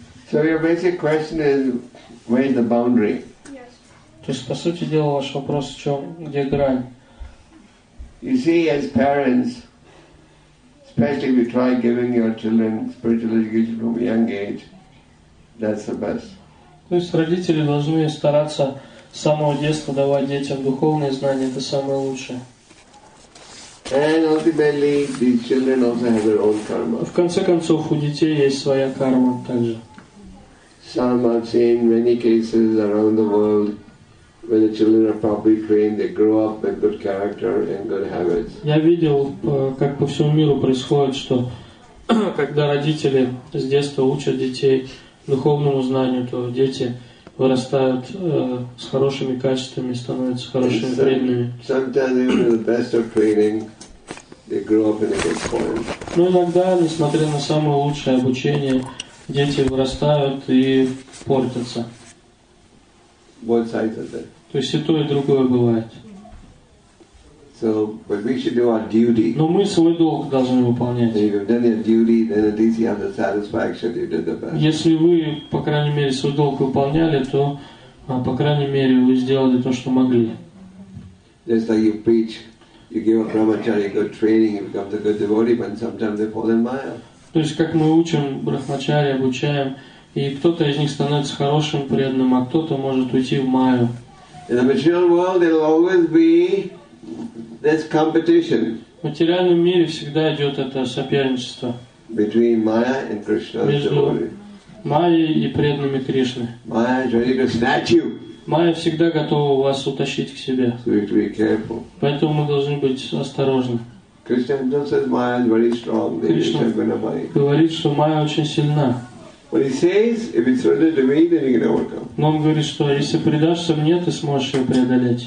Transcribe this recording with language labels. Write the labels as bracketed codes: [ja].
[en] So your basic question is, where is the boundary? Yes. [ru] То есть, по сути дела, ваш вопрос, в чем, где грань? [en] You see, as parents, especially if you try giving your children spiritual education from a young age, that's the best. [ru] То есть, родители должны стараться с самого детства давать детям духовные знания, это самое лучшее. [en] And ultimately, these children also have their own karma. [ru] В конце концов, у детей есть своя карма также. [en] Some I've seen many cases around the world where the children are properly trained, they grow up with good character and good habits. [ru] Я видел, как по всему миру происходит, что когда родители с детства учат детей духовному знанию, то дети вырастают с хорошими качествами, становятся хорошими преданными. [en] Sometimes even the best of training they grow up in a good form. [ru] Но иногда, несмотря на самое лучшее обучение, дети вырастают и портятся. [en] Both sides of that. [ru] То есть и то, и другое бывает. [en] So, but we should do our duty. [ru] Но мы свой долг должны выполнять. [en] If you've done your duty, then at least you have the satisfaction you did the best. [ru] Если вы, по крайней мере, свой долг выполняли, то, по крайней мере, вы сделали то, что могли. [en] Just like you preach, you give a brahmachari good training, you become the good devotee, but sometimes they fall in maya. [ru] То есть, как мы учим брахмачари, обучаем, и кто-то из них становится хорошим преданным, а кто-то может уйти в маю. [en] In the material world, there will always be this competition. [ru] В материальном мире всегда идет это соперничество. [en] Between maya and Krishna's [ru] между devotee. Майей и преданными Кришны. [en] Maya is ready to snatch you. [ru] Майя всегда готова вас утащить к себе. [en] So we have to be careful. [ru] Поэтому мы должны быть осторожны. [en] Krishna says Maya is very strong. [ru] Krishna говорит, что Майя очень сильна. [en] But he says, if it's surrendered to me, then you can overcome. [ru] Но он говорит, что если предашься мне, ты сможешь ее преодолеть.